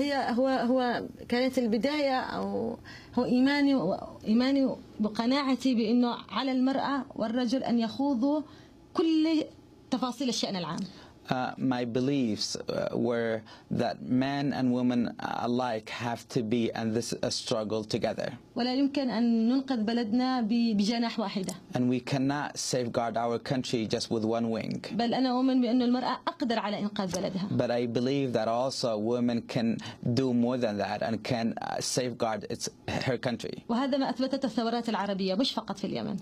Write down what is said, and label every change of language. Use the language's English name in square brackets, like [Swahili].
[Arabic] هو كانت البداية أو هو إيماني وقناعتي بأنه على المرأة والرجل أن يخوضوا كل تفاصيل الشأن العام. [English] My beliefs were that men and women alike have to be in this struggle together. [Arabic] ولا يمكن أن ننقذ بلدنا بجناح واحدة. [English] And we cannot safeguard our country just with one wing. [Arabic] بل أنا أؤمن بأن المرأة أقدر على إنقاذ بلدها. [English] But I believe that also women can do more than that and can safeguard her country. [Arabic] وهذا ما أثبتت الثورات العربية مش فقط في اليمن.